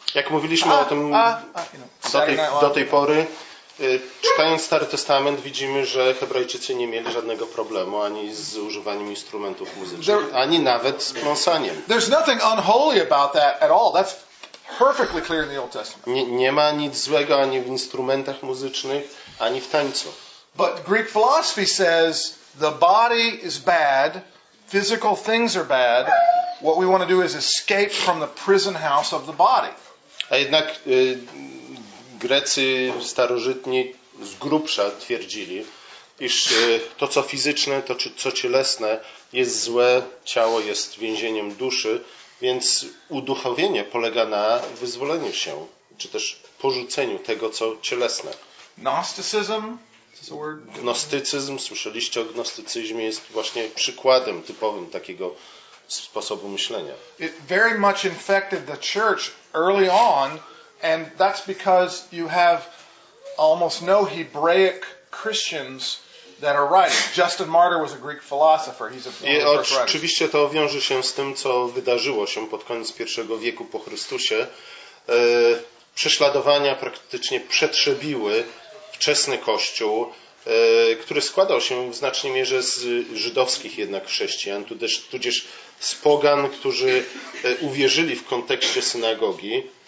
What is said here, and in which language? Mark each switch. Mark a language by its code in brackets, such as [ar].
[pl] Jak mówiliśmy o tym do tej pory, czytając Stary Testament, widzimy, że Hebrajczycy nie mieli żadnego problemu ani z używaniem instrumentów muzycznych, ani nawet z pląsaniem. [en] There's nothing unholy about that at all. That's perfectly clear in the Old Testament. [pl] Nie ma nic złego ani w instrumentach muzycznych, ani w tańcu. [en] But Greek philosophy says the body is bad, physical things are bad. What we want to do is escape from the prison house of the body. [pl] A jednak Grecy starożytni z grubsza twierdzili, iż to co fizyczne, to co cielesne, jest złe, ciało jest więzieniem duszy, więc uduchowienie polega na wyzwoleniu się, czy też porzuceniu tego, co cielesne. [en] Gnosticism? [pl] Gnostycyzm, słyszeliście o gnostycyzmie, jest właśnie przykładem typowym takiego sposobu myślenia. [en] It very much infected the church early on, and that's because you have almost no Hebraic Christians that are right. Justin Martyr was a Greek philosopher. He's a philosopher. [pl] Oczywiście to wiąże się z tym, co wydarzyło się pod koniec pierwszego wieku po Chrystusie. Prześladowania praktycznie przetrzebiły wczesny kościół, który składał się w znacznej mierze z żydowskich jednak chrześcijan, tudzież z pogan, którzy uwierzyli w kontekście synagogi.